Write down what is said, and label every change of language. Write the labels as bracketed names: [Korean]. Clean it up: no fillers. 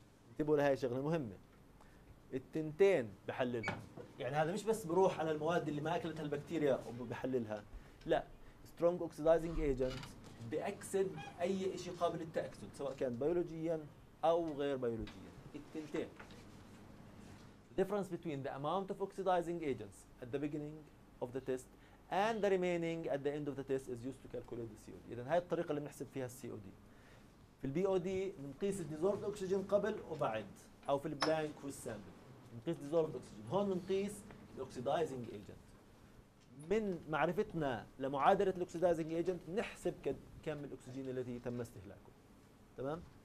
[Arabic] انتبهوا لهي شغلة مهمة. التنتين بحللها. يعني هذا مش بس بروح على المواد اللي ما أكلتها البكتيريا وبحللها. لا. [English] Strong oxidizing agent [Arabic] بأكسد أي إشي قابل للتأكسد. سواء كان بيولوجياً أو غير بيولوجياً. التنتين. [English] Difference between the amount of oxidizing agents at the beginning of the test and the remaining at the end of the test is used to calculate the COD. [Arabic] إذن هاي الطريقة اللي بنحسب فيها COD. في البي او دي بنقيس الديزولفد اوكسجين قبل وبعد او في البلانك والسامبل بنقيس الديزولفد اوكسجين هون بنقيس الاوكسيدايزنج ايجنت من معرفتنا لمعادله الاوكسيدايزنج ايجنت نحسب كم الاكسجين الذي تم استهلاكه تمام